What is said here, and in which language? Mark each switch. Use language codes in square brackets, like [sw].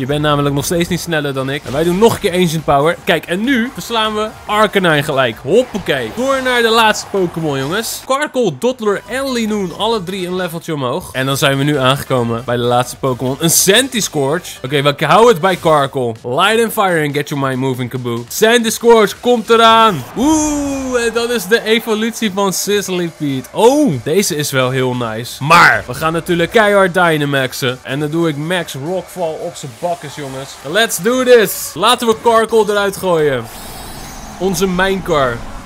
[nl] Je bent namelijk nog steeds niet sneller dan ik. En wij doen nog een keer Ancient Power. Kijk, en nu verslaan we Arcanine gelijk. Hoppakee. Door naar de laatste Pokémon, jongens. Karkul, Dottler en Linoon. Alle 3 een leveltje omhoog. En dan zijn we nu aangekomen bij de laatste Pokémon. Een Sandyscorch. Oké, we houden het bij Karkul. [en] Light and fire and get your mind moving, Kaboom. [nl] Sandyscorch komt eraan. Oeh, en dat is de evolutie van Sizzlypete. Oh, deze is wel heel nice. Maar we gaan natuurlijk keihard Dynamaxen. En dan doe ik Max Rockfall op zijn bakkes, jongens. [en] Let's do this. [nl] Laten we Karkul eruit gooien. Onze minecar.